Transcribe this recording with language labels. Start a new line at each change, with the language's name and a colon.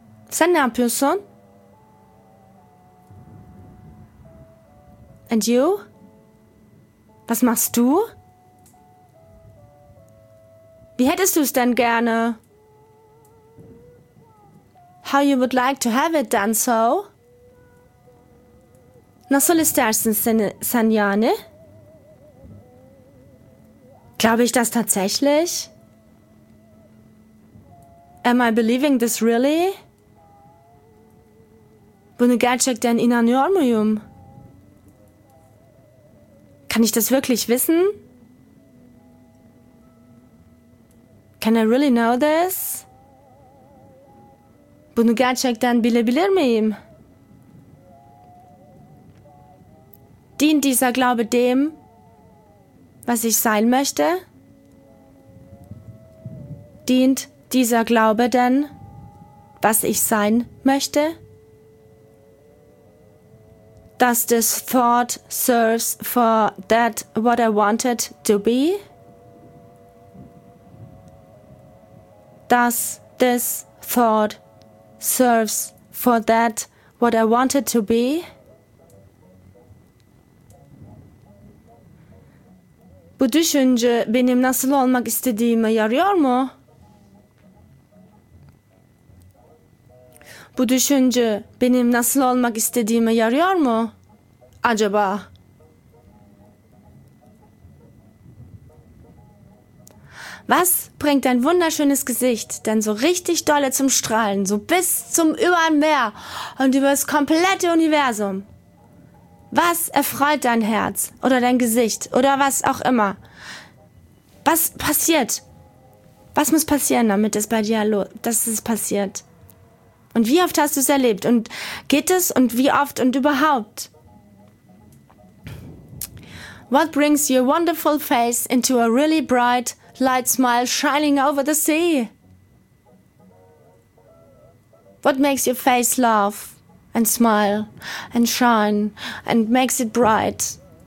Turkish: Sen ne yapıyorsun?
English: And you?
German: Was machst du? Wie hättest du es denn gerne?
English: How you would like to have it done so?
Turkish: Nasıl istersin sen yani?
German: Glaube ich das tatsächlich?
English: Am I believing this really?
Turkish: Bunu gerçekten inanıyor muyum?
German: Kann ich das wirklich wissen?
English: Can I really know this?
Turkish: Bunu gerçekten bilebilir miyim?
German: Dient dieser Glaube dem, was ich sein möchte? Dient dieser Glaube denn, was ich sein möchte?
English: Does this thought serves for that what I wanted to be? Does this thought serves for that what I wanted to be?
Turkish: Bu düşünce benim nasıl olmak istediğime yarıyor mu? Bu düşünce benim nasıl olmak istediğime yarıyor mu? Acaba?
German: Was bringt dein wunderschönes Gesicht denn so richtig dolle zum Strahlen, so bis zum übern Meer und über das komplette Universum? Was erfreut dein Herz oder dein Gesicht oder was auch immer? Was passiert? Was muss passieren, damit es bei dir dass es passiert? Und wie oft hast du es erlebt? Und geht es? Und wie oft und überhaupt?
English: What brings your wonderful face into a really bright light smile shining over the sea? What makes your face laugh and smile and shine and makes it bright?